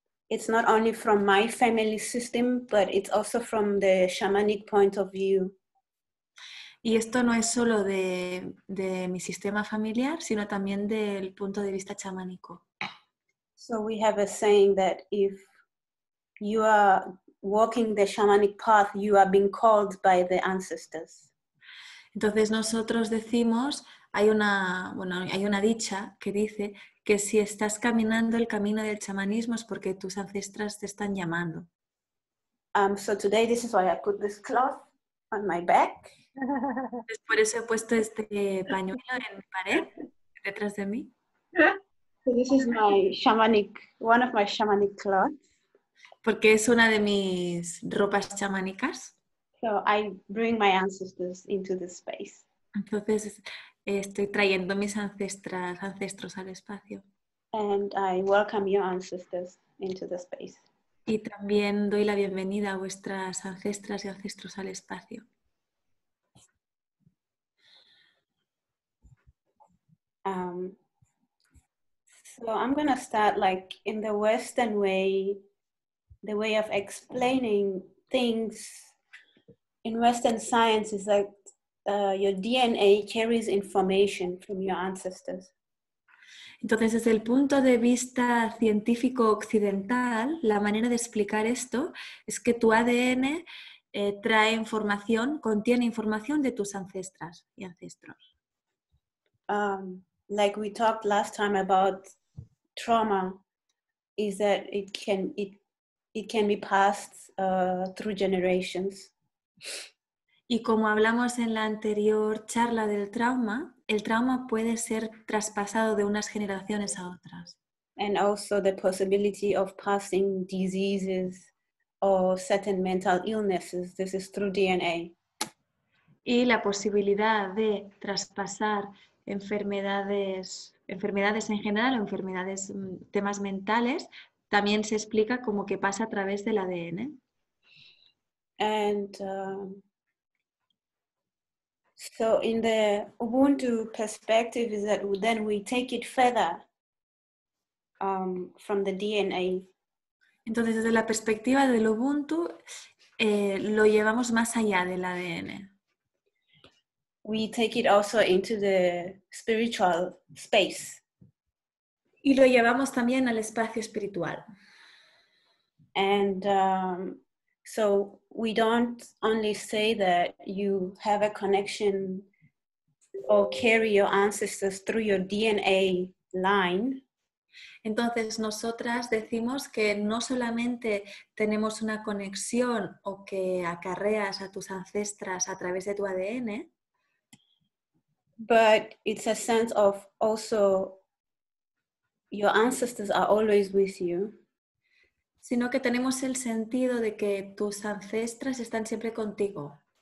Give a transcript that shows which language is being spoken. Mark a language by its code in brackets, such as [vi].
[en] It's not only from my family system, but it's also from the shamanic point of view. [es] Y esto no es solo de mi sistema familiar, sino también del punto de vista chamánico. [en] So we have a saying that if you are walking the shamanic path, you are being called by the ancestors. [es] Entonces nosotros decimos, hay una dicha que dice que si estás caminando el camino del chamanismo es porque tus ancestras te están llamando. [en] So today this is why I put this cloth on my back. [es] Es por eso he puesto este pañuelo en mi pared, detrás de mí. [en] So this is one of my shamanic clothes. [es] Porque es una de mis ropas chamánicas. [en] So I bring my ancestors into this space. [es] Entonces estoy trayendo mis ancestros al espacio. [en] And I welcome your ancestors into the space. [es] Y también doy la bienvenida a vuestras ancestras y ancestros al espacio. [en] So I'm going to start like in the Western way, the way of explaining things in Western science is that your DNA carries information from your ancestors. [es] Entonces, desde el punto de vista científico occidental, la manera de explicar esto es que tu ADN trae información, contiene información de tus ancestras y ancestros. [en] Like we talked last time about trauma is that it can be passed through generations. [es] Y como hablamos en la anterior charla del trauma, el trauma puede ser traspasado de unas generaciones a otras. [en] And also the possibility of passing diseases or certain mental illnesses, this is through DNA. [es] Y la posibilidad de traspasar enfermedades en general, enfermedades, temas mentales, también se explica como que pasa a través del ADN. [en] And so in the Ubuntu perspective is that then we take it further from the DNA. [es] Entonces desde la perspectiva del Ubuntu lo llevamos más allá del ADN. [en] We take it also into the spiritual space. [es] Y lo llevamos también al espacio espiritual. [en] And so we don't only say that you have a connection or carry your ancestors through your DNA line. [es] Entonces, nosotras decimos que no solamente tenemos una conexión o que acarreas a tus ancestras a través de tu ADN, [en] but it's a sense of also your ancestors are always with you, [es] sino que tenemos el sentido de que tus ancestras están siempre contigo.